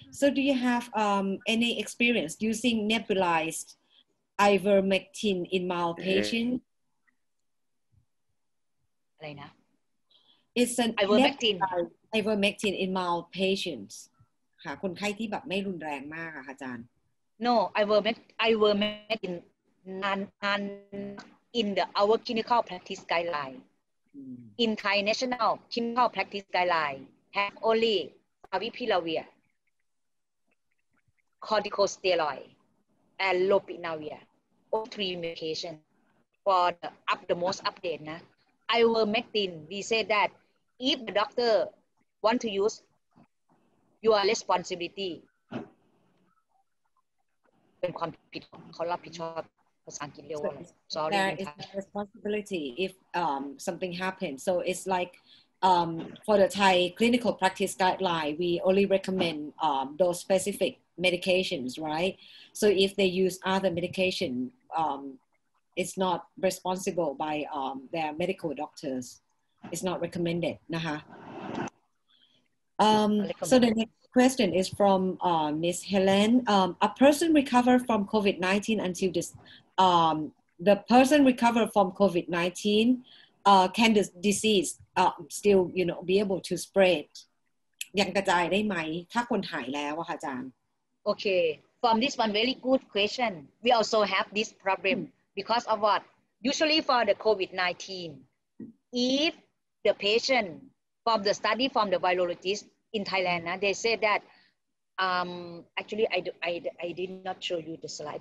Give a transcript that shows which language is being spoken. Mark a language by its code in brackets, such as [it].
[en] So do you have any experience using nebulized ivermectin in mild patients? Elena. It's an ivermectin in mild patients. [th] ค่ะ คนไข้ที่แบบไม่รุนแรงมากอ่ะค่ะอาจารย์ [en] No, ivermectin non in the our clinical practice guideline. International clinical practice guideline have only favipiravir, corticosteroid and lopinavir. All three medication for the most update นะ. Ivermectin, we say that if the doctor want to use, you are responsibility. [th] เป็นความผิดเขารับผิดชอบภาษาอังกฤษเร็ว [en] Sorry. That is responsibility if something happens. So it's like for the Thai clinical practice guideline, we only recommend those specific medications, right? So if they use other medication, it's not responsible by their medical doctors. It's not recommended, นะคะ so the next question is from Miss Helen. A person recover from COVID-19 until this, the person recover from COVID-19, can the disease still, you know, be able to spread? [th] ยังกระจายได้ไหมถ้าคนหายแล้วอะค่ะอาจารย์ [en] Okay, from this one, very good question. We also have this problem because of what? Usually for the COVID-19, if the patient from the study from the virologist in Thailand, they said that actually I did not show you the slide.